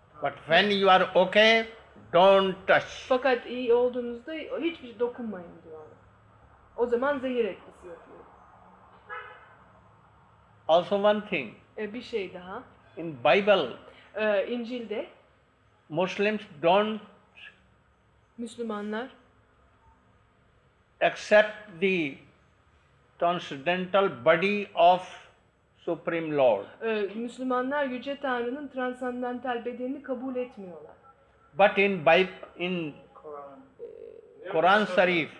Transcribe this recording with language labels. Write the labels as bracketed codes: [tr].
[en] But when you are okay, don't touch. [tr] Fakat iyi olduğunuzda hiçbir şey dokunmayın diyor. O zaman zehir etkisi yapıyor. [en] Also one thing. [tr] Bir şey daha. [en] In Bible. [tr] İncil'de. [en] Muslims don't. [tr] Müslümanlar. [en] Accept the transcendental body of. Supreme Lord. [tr] Müslümanlar yüce Tanrı'nın transandantal bedenini kabul etmiyorlar. [en] But in Bible in Quran Sharif